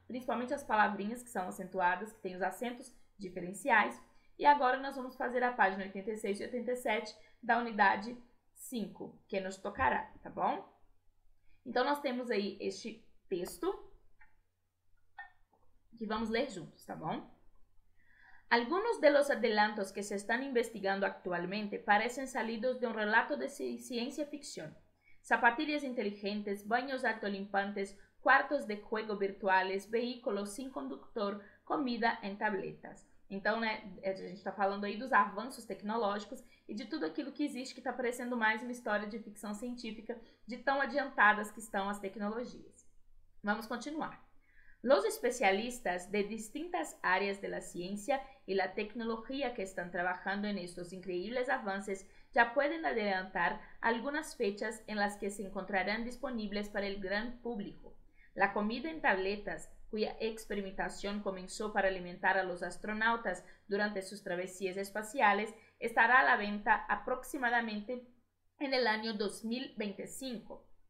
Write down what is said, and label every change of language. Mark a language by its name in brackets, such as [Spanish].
[Portuguese] Principalmente as palavrinhas que são acentuadas, que têm os acentos diferenciais. E agora nós vamos fazer a página 86 e 87 da unidade 5, que nos tocará, tá bom? Então nós temos aí este texto que vamos ler juntos, tá bom? [Spanish] Algunos de los adelantos que se están investigando actualmente parecen salidos de un relato de ciencia ficción. Zapatillas inteligentes, baños autolimpantes, cuartos de juego virtuales, vehículos sin conductor, comida en tabletas. [Portuguese] Então, né, a gente está falando aí dos avanços tecnológicos e de tudo aquilo que existe que está parecendo mais uma história de ficção científica, de tão adiantadas que estão as tecnologias. Vamos continuar. [Spanish] Los especialistas de distintas áreas de la ciencia y la tecnología que están trabajando en estos increíbles avances ya pueden adelantar algunas fechas en las que se encontrarán disponibles para el gran público. La comida en tabletas, cuya experimentación comenzó para alimentar a los astronautas durante sus travesías espaciales, estará a la venta aproximadamente en el año 2025.